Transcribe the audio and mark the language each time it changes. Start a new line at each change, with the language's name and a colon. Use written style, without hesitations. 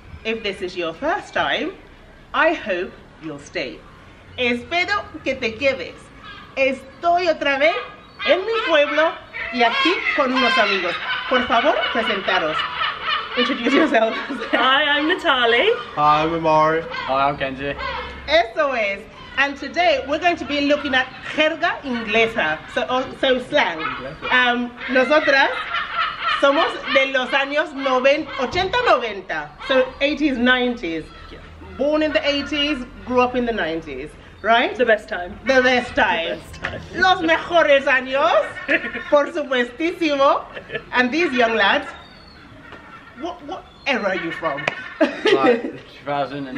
English: If this is your first time, I hope you'll stay.
Spanish: Espero que te quedes. Estoy otra vez en mi pueblo y aquí con unos amigos. Por favor, presentaros.
English: Introduce yourselves. Hi, I'm Natalie. Hi, I'm Amari. Hi, I'm Kenji.
Spanish: Eso es.
English: And today we're going to be looking at
Spanish: jerga inglesa,
English: so slang.
Spanish: Nosotras somos de los años 80-90,
English: so 80s, 90s. Yeah. Born in the 80s, grew up in the 90s. Right? The best time. The best time. The best time.
Spanish: Los mejores años, por supuestísimo.
English: And these young lads, what era are you from? Like 2000 and...